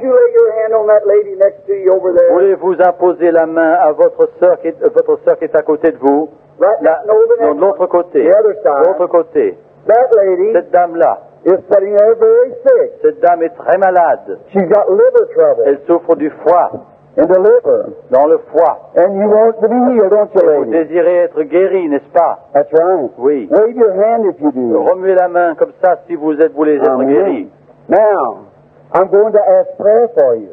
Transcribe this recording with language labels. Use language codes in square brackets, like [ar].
[en] Would you lay your hand on that lady next to you over there? [fr] Voulez-vous imposer la main à votre sœur qui est à côté de vous? [en] Right [fr] la, [en] next over there. [fr] Non, de l'autre côté. [en] The other side. [fr] L'autre côté. [en] That lady. [fr] Cette dame là. [en] Is sitting there very sick. [fr] Cette dame est très malade. [en] She's got liver trouble. [fr] Elle souffre du foie. [en] In the liver. [fr] Dans le foie. [en] And you want to be healed, don't you, lady? [fr] Vous désirez être guéri, n'est-ce pas? [en] That's right. [fr] Oui. [en] Wave your hand if you do. [fr] Remuez la main comme ça si vous êtes voulez être guéri. [en] Now, I'm going to ask prayer for you.